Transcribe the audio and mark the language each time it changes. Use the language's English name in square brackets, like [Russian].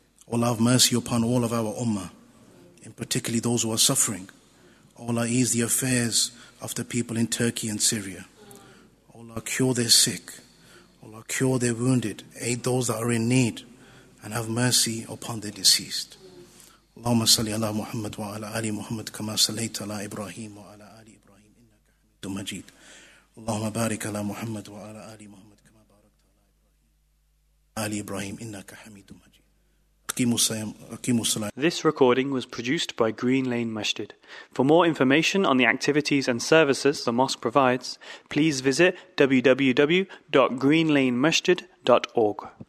[English] Allah, have mercy upon all of our ummah, and particularly those who are suffering. Allah, ease the affairs of the people in Turkey and Syria. Allah, cure their sick. Allah, cure their wounded. Aid those that are in need, and have mercy upon the deceased. [Arabic] اللهم صل على محمد وعلى آل محمد كما صليت على إبراهيم وعلى آل إبراهيم إنك حميد مجيد اللهم بارك على محمد وعلى آل محمد كما باركت على آل إبراهيم إنك حميد مجيد [English] This recording was produced by Green Lane Masjid. For more information on the activities and services the mosque provides, please visit www.greenlanemasjid.org.